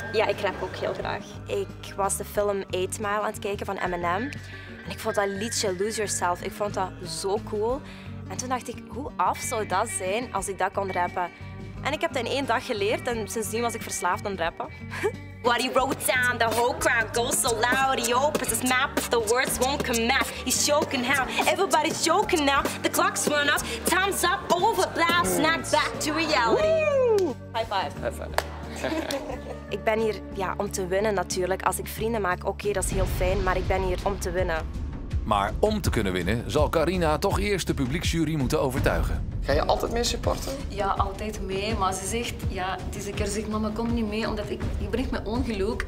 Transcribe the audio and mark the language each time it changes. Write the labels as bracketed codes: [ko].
[nl] Ja, ik rap ook heel graag. Ik was de film 8 Mile aan het kijken van Eminem. En ik vond dat liedje Lose Yourself, ik vond dat zo cool. En toen dacht ik, hoe af zou dat zijn als ik dat kon rappen? En ik heb dat in 1 dag geleerd en sindsdien was ik verslaafd aan rappen. [en] What he wrote down, the whole crowd goes so loud. He opens his mouth, but the words won't come out. He's choking how everybody's choking now. The clock's run up, time's up, over, blast, snap back to reality. Woo! High five. [nl] Ik ben hier om te winnen natuurlijk. Als ik vrienden maak, oké, dat is heel fijn, maar ik ben hier om te winnen. Maar om te kunnen winnen, zal Carina toch eerst de publieksjury moeten overtuigen. Ga je altijd mee supporten? Ja, altijd mee. Maar ze zegt, deze keer zegt mama, kom niet mee, omdat ik breng mijn ongeluk.